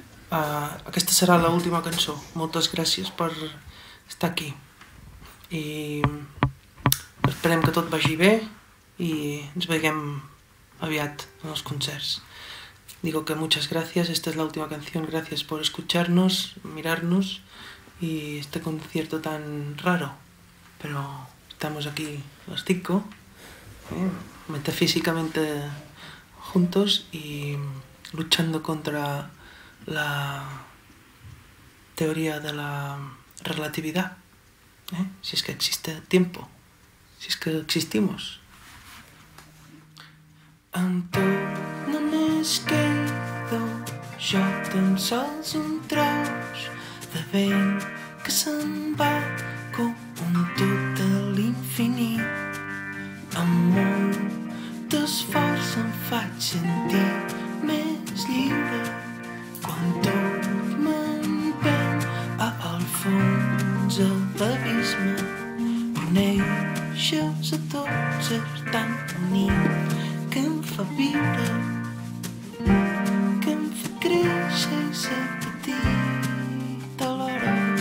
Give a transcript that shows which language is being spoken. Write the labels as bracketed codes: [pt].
[ca] Aquesta serà l'última cançó. Moltes gràcies per estar aquí. I esperem que tot vagi bé i ens veiem aviat en els concerts. [es] Digo que muchas gracias, esta es la última canción, gracias por escucharnos, mirarnos y este concierto tan raro. Pero estamos aquí los cinco, metafísicamente juntos y luchando contra la teoría de la relatividad, si es que existe el tiempo, si es que existimos. [ca] Anto, només quedo jo, tan sols un tros de vent que se'n va com un tot a l'infinit. Amb molt d'esforç em faig sentir més lliure quan tot m'empeny a al fons de l'abisme on eixes a tots ser tan unit que em fa viure, que em fa créixer i ser petit alhora.